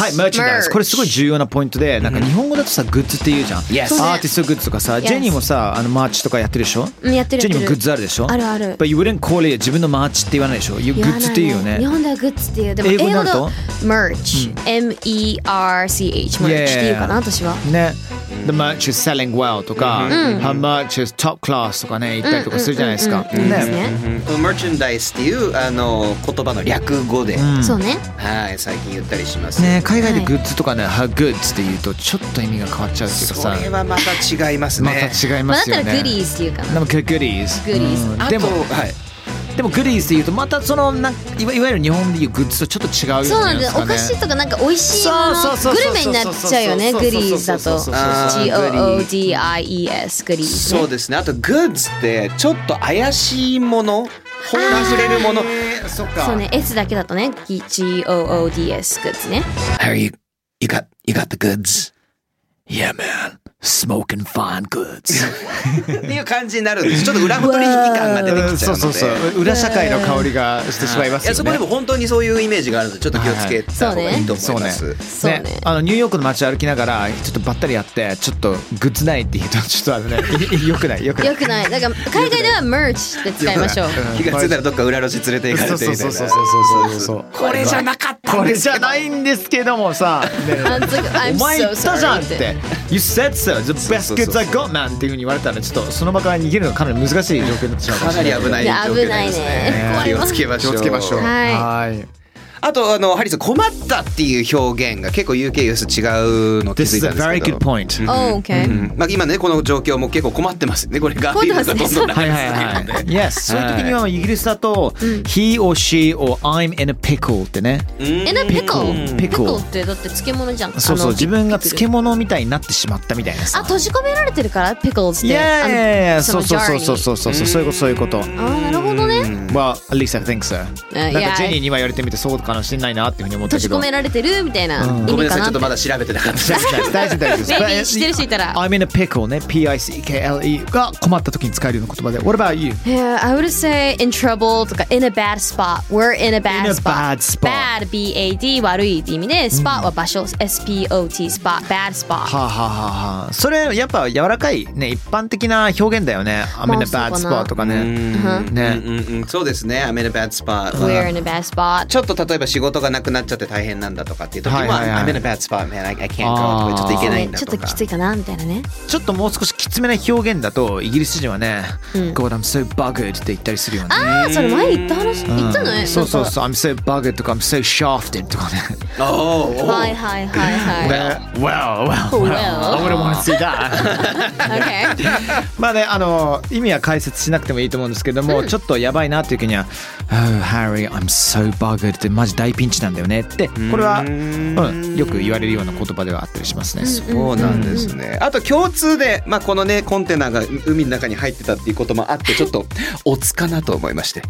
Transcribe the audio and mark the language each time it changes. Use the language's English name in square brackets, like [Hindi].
[Japanese] はい、メーチャンダイス。これすごい重要なポイントで、なんか日本語だとさ、グッズって言うじゃん。 [English] Yes. [Japanese] アーティストグッズとかさ、ジェニーもさ、あのマーチとかやってるでしょ？やってるやってる。ジェニーもグッズあるでしょ？あるある。 [English] But you wouldn't call it [Japanese] 自分のマーチって言わないでしょ？グッズって言うよね。日本ではグッズって言う。でも英語になると？メーチ。M-E-R-C-H。メーチって言うかな、私は。ね。 [English] The merch is selling well とか、mm-hmm. her merch is top class [Japanese] とかね、言ったりとかするじゃないですか。ね。このメーチャンダイスっていうあの言葉の略語で、うん、そうね。はい、最近言ったりします。ね、海外でグッズとかね、はい、her goods って言うとちょっと意味が変わっちゃうっていうかさ。それはまた違いますね。また違いますよね。だったらグリーズっていうかな。でもグリーズ。グリーズ。でも、はい。でもグリーズって言うとまたそのなんいわゆる日本でいうグッズとちょっと違うよね。そうなんです。お菓子とかなんか美味しいものグルメになっちゃうよね。グリーズだと G-O-O-D-I-E-S グリーズ、ね、そうですね。あとグッズってちょっと怪しいもの、ほんずれるもの、そっか、そうね。 S だけだとね G-O-O-D-S グッズね。 [English] Are you, you, got, you got the goods? Yeah manSmoking fine goods [Japanese] っていう感じになるんです。ちょっと裏取引感が出てきちゃうので、そうそうそう、裏社会の香りがしてしまいますよね。いやそこでも本当にそういうイメージがあるので、ちょっと気をつけた方がいいと思います。ニューヨークの街歩きながらちょっとばったりやって、ちょっとグッズないって言うとちょっとあのね、よくないよくないよくない。なんか海外ではメーチって使いましょう。気がついたらどっか裏路地連れて行かれてみたいな。そうそうそうそうそうそう。これじゃなかったこれじゃないんですけどもさ、ね、お前言ったじゃんって [English] You said soThe best goods I got, man! [Japanese] っていう風に言われたら、ちょっとその場から逃げるのかなり難しい状況になってしまう。かなり危ない状況ですね。危ないね。気をつけましょう。はい。あと、あのハリーさん、困ったっていう表現が結構 UK US 違うのって気づいたんですけど。 [English] This is a very good point. Oh, okay. [Japanese] うん、まあ、今ね、この状況も結構困ってますね。これガーフィールドがどんどん流れ続けるので。 [English] Yes. [Japanese] そういう時にはイギリスだと、 [English] He or she or I'm in a pickle [Japanese] ってね。 [English] In a pickle? [Japanese] Pickle ってだって漬物じゃん。そうそう、自分が漬物みたいになってしまったみたいなさ。あ、閉じ込められてるから Pickles って。 [English] Yeah, yeah, yeah. [Japanese] そうそうそうそうそうそうそう、そういうこと、そういうこと。あ、なるほどね。 [English] Well, at least I think so. [Japanese] なんかジェニーには言われてみて、そうかもしれないなっていうふうに思ったけど、閉じ込められてるみたいな意味かなって、うん、ごめんなさい、ちょっとまだ調べてなかった大丈夫大丈夫メイビー知ってる人いたら I'm in a pickle ね、 P-I-C-K-L-E が困った時に使えるような言葉で。 [English] What about you? Yeah, I would say in trouble とか in a bad spot. We're in a bad spot. In a bad spot. [Japanese] Bad, B-A-D 悪いって意味で、 spot は場所、うん、S-P-O-T spot, bad spot. はあはあはあ、それやっぱ柔らかいね、一般的な表現だよね。 [English] I'm in a bad spot とかね、 [Japanese] そうですね。 [English] I'm in a bad spot. We're in a bad spot. [Japanese] ちょっと例えば仕事がなくなっちゃって大変なんだとかっていう時は、はいはいはい、 [English] I'm in a bad spot, man. I can't go. [Japanese] ちょっと行けないんだとか。ちょっときついかなみたいなね。ちょっともう少しきつめな表現だと、イギリス人はね、 [English] God, I'm so buggered [Japanese] って言ったりするよね。ああ、それ前言った話、言ったのね。そうそうそう、 [English] I'm so buggered [Japanese] とか、 [English] I'm so shafted [Japanese] とかね。おお。はいはいはいはい。 [English] Well, I wouldn't want to see that. Okay. [Japanese] まあね、あの意味は解説しなくてもいいと思うんですけども、ちょっとやばいなっていう時には、 [English] Oh, Harry, I'm so buggered. [Japanese] マジ大ピンチなんだよねって、これは、よく言われるような言葉ではあったりしますね。そうなんですね。あと共通で、まあ、このねコンテナが海の中に入ってたっていうこともあって、ちょっとおつかなと思いまして、